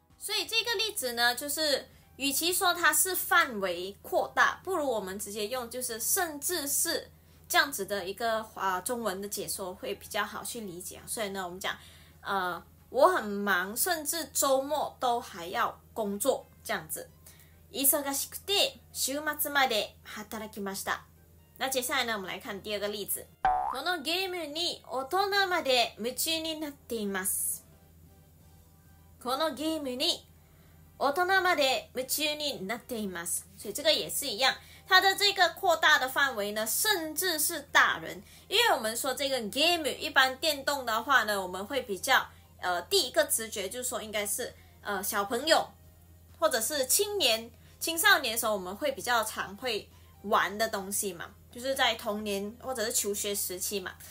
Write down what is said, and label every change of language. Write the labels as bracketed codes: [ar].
[zh] 所以这个例子呢，就是与其说它是范围扩大，不如我们直接用就是甚至是这样子的一个中文的解说会比较好去理解。所以呢，我们讲我很忙，甚至周末都还要工作这样子。 [ja] 忙しくて週末まで働きました。 [zh] 那接下来呢，我们来看第二个例子。 [ja] このゲームに大人まで夢中になっています。このゲームに大人まで夢中になっています。 [zh] 所以这个也是一样，它的这个扩大的范围呢，甚至是大人。因为我们说这个 game 一般电动的话呢，我们会比较第一个直觉就是说应该是小朋友或者是青年青少年的时候，我们会比较常会玩的东西嘛，就是在童年或者是求学时期嘛。